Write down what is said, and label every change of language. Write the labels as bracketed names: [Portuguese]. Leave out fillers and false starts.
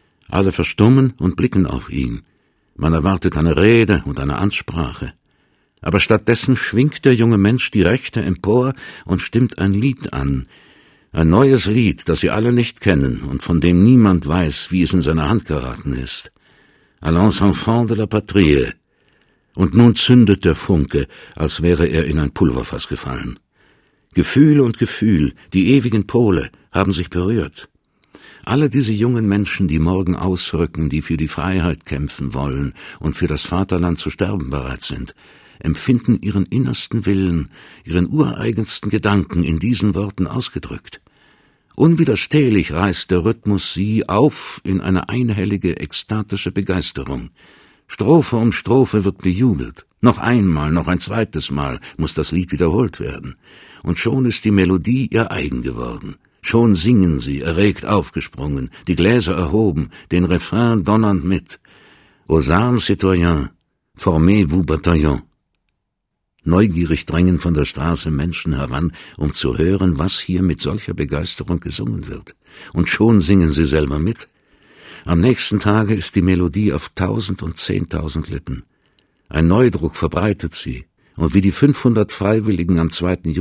[German] Alle verstummen und blicken auf ihn. Man erwartet eine Rede und eine Ansprache. Aber stattdessen schwingt der junge Mensch die Rechte empor und stimmt ein Lied an. Ein neues Lied, das sie alle nicht kennen und von dem niemand weiß, wie es in seine Hand geraten ist. [French] à l'Ensemble de la Patrie. [German] Und nun zündet der Funke, als wäre er in ein Pulverfass gefallen. Gefühl und Gefühl, die ewigen Pole, haben sich berührt. Alle diese jungen Menschen, die morgen ausrücken, die für die Freiheit kämpfen wollen und für das Vaterland zu sterben bereit sind, empfinden ihren innersten Willen, ihren ureigensten Gedanken in diesen Worten ausgedrückt. Unwiderstehlich reißt der Rhythmus sie auf in eine einhellige, ekstatische Begeisterung. Strophe um Strophe wird bejubelt. Noch einmal, noch ein zweites Mal muss das Lied wiederholt werden. Und schon ist die Melodie ihr eigen geworden. Schon singen sie, erregt aufgesprungen, die Gläser erhoben, den Refrain donnernd mit. [French] Aux armes citoyens, formez-vous bataillon. [German] Neugierig drängen von der Straße Menschen heran, um zu hören, was hier mit solcher Begeisterung gesungen wird. Und schon singen sie selber mit. Am nächsten Tage ist die Melodie auf 1000 und 10.000 Lippen. Ein Neudruck verbreitet sie, und wie die 500 Freiwilligen am 2.